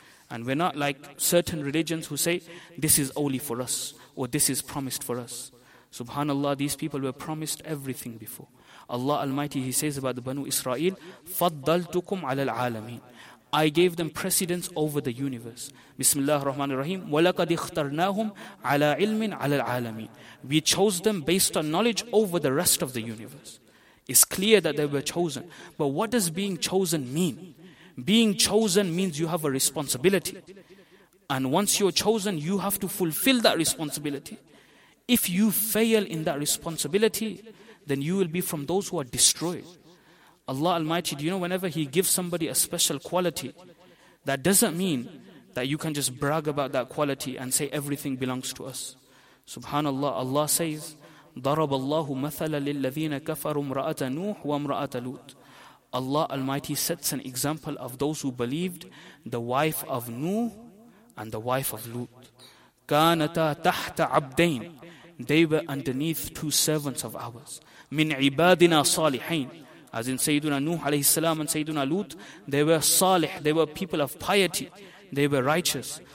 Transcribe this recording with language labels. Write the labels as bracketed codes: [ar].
[en] And we're not like certain religions who say, this is only for us, or this is promised for us. Subhanallah, these people were promised everything before. Allah Almighty, He says about the Banu Israel, [ar] فَضَّلْتُكُمْ عَلَى الْعَالَمِينَ. [en] I gave them precedence over the universe. [ar] Bismillah ar-Rahman ar-Rahim, وَلَقَدْ اخْتَرْنَاهُمْ عَلَى عِلْمٍ عَلَى الْعَالَمِينَ. [en] We chose them based on knowledge over the rest of the universe. It's clear that they were chosen. But what does being chosen mean? Being chosen means you have a responsibility. And once you're chosen, you have to fulfill that responsibility. If you fail in that responsibility, then you will be from those who are destroyed. Allah Almighty, do you know whenever He gives somebody a special quality, that doesn't mean that you can just brag about that quality and say everything belongs to us. [ar] Subhanallah, [en] Allah says, [ar] ضَرَبَ اللَّهُ مَثَلًا لِلَّذِينَ كَفَرُوا امْرَأَةَ نُوحٍ وَامْرَأَةَ لُوطٍ. [en] Allah Almighty sets an example of those who believed, the wife of Nuh and the wife of Lut. [ar] كَانَتَا تَحْتَ عَبْدَيْنِ. [en] They were underneath two servants of ours. [ar] مِنْ عِبَادِنَا صَالِحَيْنِ. [en] As in Sayyiduna Nuh alayhi salam and Sayyiduna Lut, they were salih, they were people of piety, they were righteous.